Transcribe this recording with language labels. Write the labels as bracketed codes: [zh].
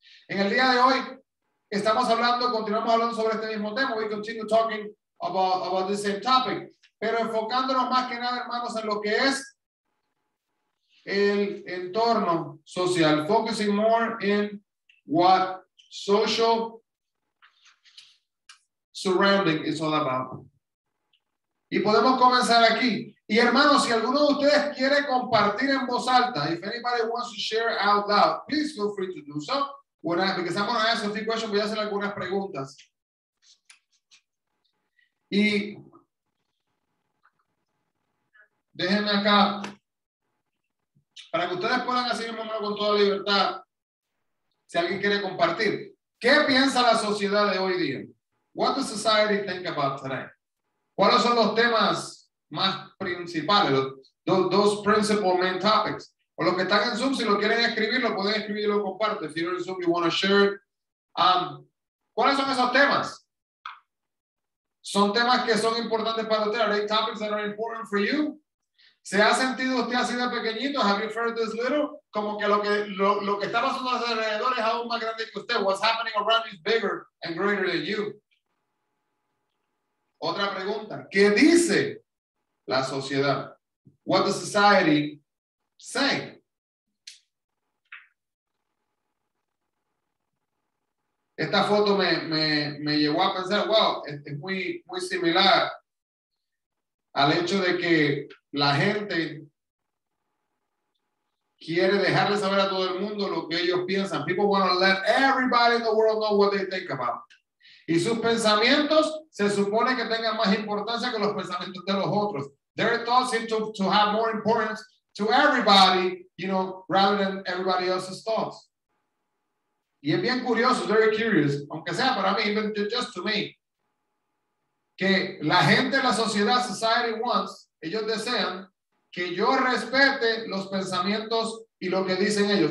[es] En el día de hoy, estamos hablando, continuamos hablando sobre este mismo tema. [en] We continue talking about the same topic. [es] Pero enfocándonos más que nada, hermanos, en lo que es el entorno social. [en] Focusing more in what social surrounding is all about. [es] Y podemos comenzar aquí. Y hermanos, si alguno de ustedes quiere compartir en voz alta, [en] if anybody wants to share out loud, please feel free to do so. [es] Bueno, porque estamos en esos cinco hechos, voy a hacer algunas preguntas. Y déjenme acá, para que ustedes puedan hacer un momento con toda libertad, si alguien quiere compartir. ¿Qué piensa la sociedad de hoy día? [en] What does society think about today? [es] ¿Cuáles son los temas más principales? [en] Those principal main topics. [es] O los que están en Zoom, si lo quieren escribir, lo pueden escribir y lo comparten. [en] If you're in Zoom, you want to share it. [es] ¿Cuáles son esos temas? ¿Son temas que son importantes para usted? [en] Are they topics that are important for you? [es] ¿Se ha sentido usted así de pequeñito? [en] Have you felt this little? [es] Como que lo que está pasando a su alrededor es aún más grande que usted. [en] What's happening around you is bigger and greater than you. [es] Otra pregunta. ¿Qué dice la sociedad? [en] What does society say? [es] Esta foto me llevó a pensar, wow, este es muy, muy similar al hecho de que la gente quiere dejarle saber a todo el mundo lo que ellos piensan. [en] People want to let everybody in the world know what they think about. [es] Y sus pensamientos se supone que tengan más importancia que los pensamientos de los otros. [en] Their thoughts seem to have more importance to everybody, you know, rather than everybody else's thoughts. [es] Y es bien curioso, [en] very curious, [es] aunque sea para mí, [en] even just to me, [es] que la gente, la sociedad, [en] society wants, [es] ellos desean que yo respete los pensamientos y lo que dicen ellos.